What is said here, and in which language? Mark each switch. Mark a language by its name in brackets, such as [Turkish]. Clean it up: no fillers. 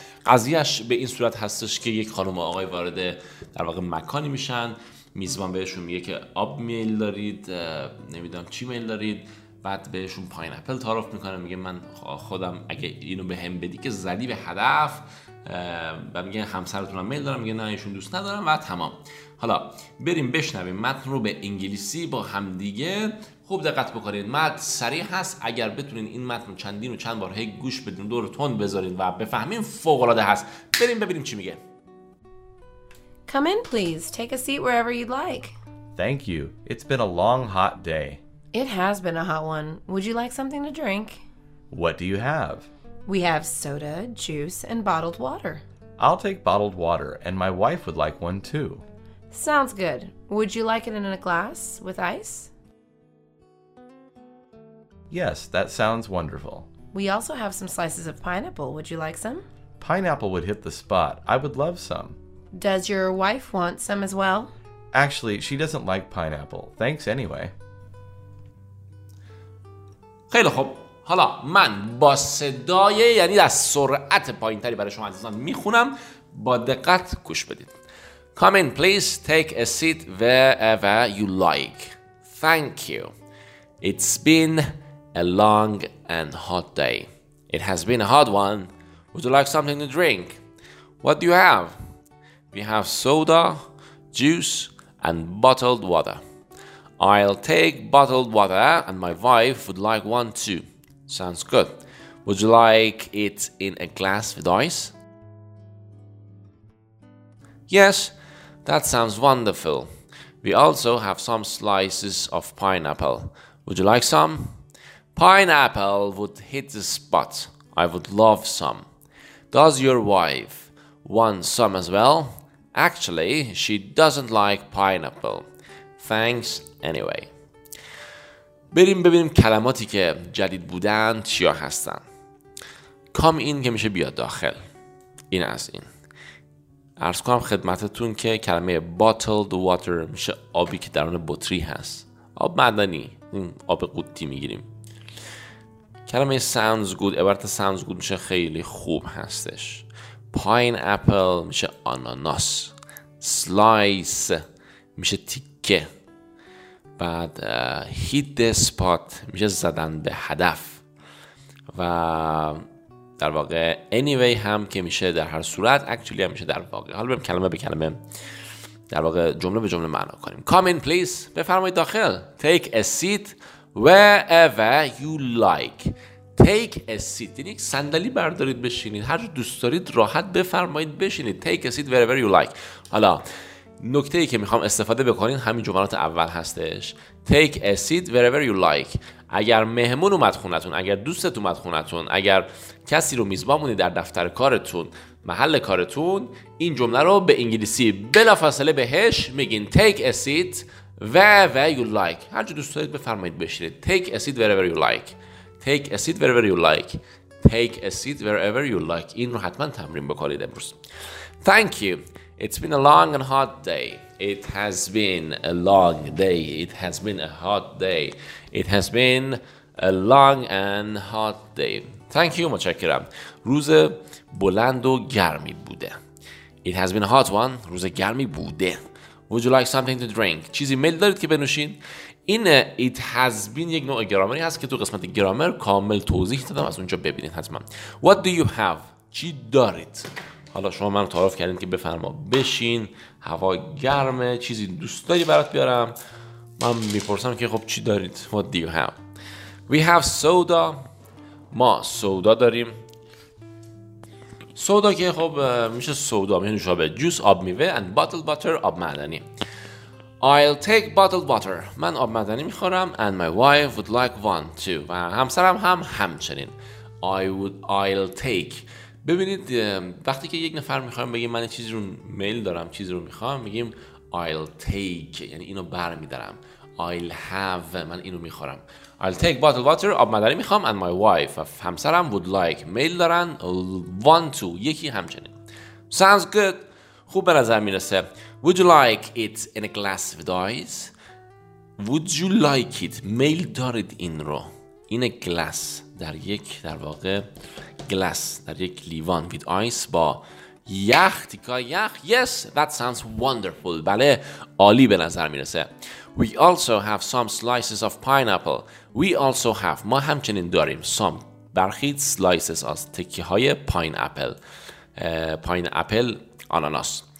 [Persian] قضیهش به این صورت هستش که یک خانم و آقای وارد در واقع مکانی میشن، میزبان بهشون میگه که آب میل دارید، نمیدونم چی میل دارید، بعد بهشون پاینپل تعارف میکنه، میگه من خودم اگه اینو به هم بدی که زدی به هدف، و میگه همسرتون هم میل دارم، میگه نه ایشون دوست ندارم، و تمام. حالا بریم بشنویم متن رو به انگلیسی با هم دیگه. خوب دقت بکنید، متن سریع هست، اگر بتونین این متن چندین و چند بار هی گوش بدین، دور تون بذارین و بفهمین، فوق العاده هست. بریم ببینیم چی میگه. [English] Come in please, take a seat wherever you'd like. Thank you. It's been a long hot day. It has been a hot one. Would you like something to drink? What do you have? We have soda, juice, and bottled water. I'll take bottled water, and my wife would like one too. Sounds good. Would you like it in a glass with ice? Yes, that sounds wonderful. We also have some slices of pineapple. Would you like some? Pineapple would hit the spot. I would love some. Does your wife want some as well? Actually, she doesn't like pineapple. Thanks anyway. [Persian] خیلی خوب. حالا من با صدای، یعنی در سرعت پایین تری برای شما عزیزان میخونم، با دقت گوش بدید. [English] Come in please, take a seat wherever you like. Thank you. It's been a long and hot day. It has been a hot one. Would you like something to drink? What do you have? We have soda, juice and bottled water. I'll take bottled water and my wife would like one too. Sounds good. Would you like it in a glass with ice? Yes, that sounds wonderful. We also have some slices of pineapple. Would you like some? Pineapple would hit the spot. I would love some. Does your wife want some as well? Actually, she doesn't like pineapple. Thanks anyway. [Persian] بریم ببینیم کلماتی که جدید بودن چیا هستن. [English] Come in [Persian] که میشه بیاد داخل. این از این. عرض کنم خدمتتون که کلمه [English] bottled water [Persian] میشه آبی که درون بطری هست. آب معدنی. آب قوطی میگیریم. کلمه [English] sounds good. [Persian] عبارت [English] sounds good [Persian] میشه خیلی خوب هستش. Pineapple میشه آناناس. Slice میشه تیکه. بعد [English] hit the spot [Persian] میشه زدن به هدف، و در واقع anyway هم که میشه در هر صورت، actually هم میشه در واقع. حالا بریم کلمه به کلمه، در واقع جمله به جمله معنا کنیم. [English] Come in please، [Persian] بفرمایید داخل. [English] Take a seat wherever you like. [Persian] Take a seat یعنی یک صندلی بردارید بشینید، هر جو دوست دارید راحت بفرمایید بشینید. [English] Take a seat wherever you like. [Persian] حالا نکته ای که میخوام استفاده بکنین همین جملات اول هستش. [English] Take a seat wherever you like. [Persian] اگر مهمون اومد خونتون، اگر دوستت اومد خونتون، اگر کسی رو میزبانونی در دفتر کارتون، محل کارتون، این جمله رو به انگلیسی بلافاصله بهش میگین [English] Take a seat wherever you like. [Persian] هر جو دوست دارید بفرمایید بشینید. [English] Take a seat wherever you like. Take a seat wherever you like. Take a seat wherever you like. [Persian] این رو حتما تمرین بکنید امروز. [English] Thank you. It's been a long and hot day. It has been a long day. It has been a hot day. It has been a long and hot day. Thank you. [Persian] متشکرم. روز بلند و گرمی بوده. [English] It has been a hot one. [Persian] روز گرمی بوده. [English] Would you like something to drink? [Persian] چیزی میل دارید که بنوشین؟ این [English] it has been [Persian] یک نوع گرامری هست که تو قسمت گرامر کامل توضیح دادم، از اونجا ببینید حتما. [English] What do you have? [Persian] چی دارید؟ حالا شما منو تعارف کردین که بفرما بشین، هوا گرمه، چیزی دوست داری برات بیارم. من میپرسم که خب چی دارید؟ [English] What do you have? We have soda. [Persian] ما سودا داریم. سودا که خب میشه سودا، میشه نوشابه. جوس آب میوه [English] and bottled water [Persian] آب معدنی. [English] I'll take bottled water. [Persian] من آب معدنی میخورم [English] and my wife would like one too. [Persian] و همسرم هم همچنین. [English] I'll take. [Persian] ببینید وقتی که یک نفر میخوام بگیم من چیزی رو میل دارم، چیزی رو میخوام، میگیم [English] I'll take، [Persian] یعنی اینو برمیدارم. [English] I'll have [Persian] من اینو میخورم. [English] I'll take bottled water [Persian] آب مدنی میخوام [English] and my wife همسرم would like [Persian] میل دارن [English] want to [Persian] یکی همچنین. [English] Sounds good [Persian] خوب به نظر میرسه. [English] Would you like it in a glass with ice? Would you like it [Persian] میل دارید این رو [English] in a glass [Persian] در یک در واقع glass در یک لیوان [English] with ice [Persian] با یخ تیکای یخ. [English] Yes that sounds wonderful [Persian] بله عالی به نظر میرسه. [English] We also have some slices of pineapple. We also have [Persian] ما همچنین داریم some برخی slices از تکه های [English] pineapple pineapple [Persian] آناناس.